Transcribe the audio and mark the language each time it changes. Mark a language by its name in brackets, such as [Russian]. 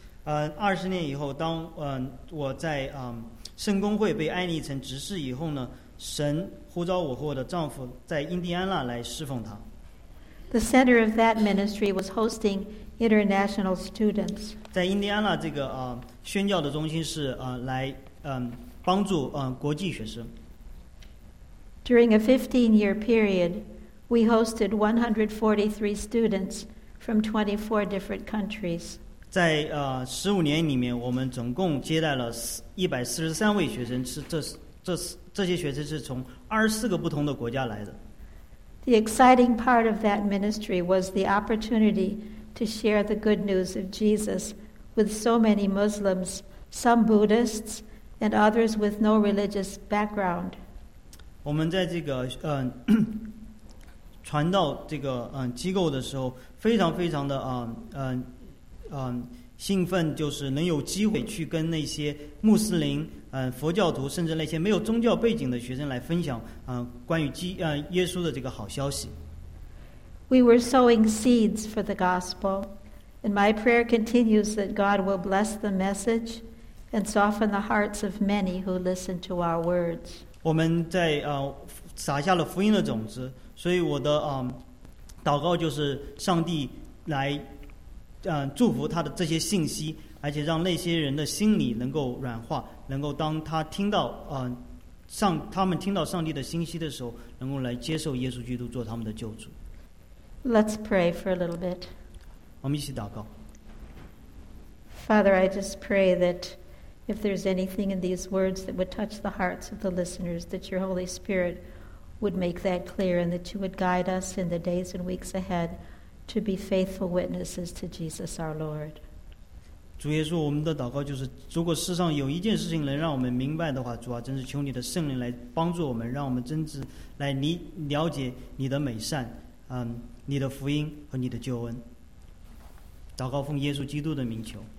[Chinese] 20年以后，当我在圣公会被安立成执事以后呢，神呼召我和我的丈夫在印第安纳来侍奉他。 [English] The center of that ministry was hosting international students. [Chinese] 在印第安纳这个宣教的中心是来帮助国际学生。 [English] During a 15-year period, we hosted 143 students from 24 different countries. [Chinese] 在15年里面，我们总共接待了143位学生，这些学生是从24个不同的国家来的。 [English] The exciting part of that ministry was the opportunity to share the good news of Jesus with so many Muslims, some Buddhists, and others with no religious background. [Chinese] 我们在这个传道这个机构的时候，非常非常的兴奋，就是能有机会去跟那些穆斯林。佛教徒甚至那些没有宗教背景的学生来分享关于耶稣的这个好消息。 [English] We were sowing seeds for the gospel, and my prayer continues that God will bless the message and soften the hearts of many who listen to our words. [Chinese] 我们在撒下了福音的种子，所以我的祷告就是上帝来祝福他的这些信息，而且让那些人的心里能够软化，能够当他听到他们听到上帝的信息的时候，能够来接受耶稣基督做他们的救主。 [English] Let's pray for a little bit. [Chinese] 我们一起祷告。 [English] Father, I just pray that if there's anything in these words that would touch the hearts of the listeners, that your Holy Spirit would make that clear and that you would guide us in the days and weeks ahead to be faithful witnesses to Jesus our Lord. [Chinese] 主耶稣，我们的祷告就是，如果世上有一件事情能让我们明白的话，主啊，真是求你的圣灵来帮助我们，让我们真知来了解你的美善，你的福音和你的救恩。祷告奉耶稣基督的名求，